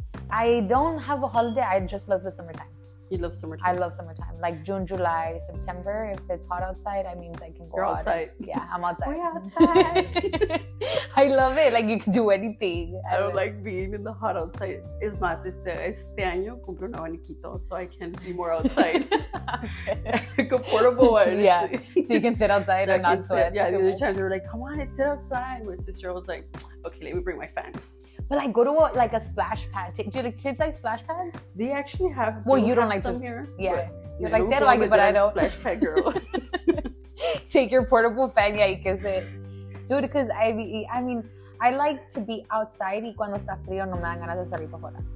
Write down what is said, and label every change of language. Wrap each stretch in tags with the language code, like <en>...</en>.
<en>I don't have a holiday. I just love the summertime. You love summertime? I love summertime. Like June, July, September. If it's hot outside, I mean, I can go outside. Yeah, I'm outside. We're outside. I love it. Like, you can do anything. I don't like being in the hot outside.</en> <es>Es más, este año compré un abaniquito,</es> <en>so I can be more outside. Like a portable one. Yeah, so you can sit outside and not sweat. Yeah, the other time they were like, come on, sit outside. My sister was like, okay, let me bring my fan. But like go to a splash pad. Do the kids like splash pads? They actually have. Well, you don't like some here. Yeah, you're like they don't like it, but I don't. Splash pad girl. Take your portable fan, yeah, you kiss it. Dude, because I mean, I like to be outside.</en> <es>Y cuando está frío, no me dan ganas de salir para fuera.</es>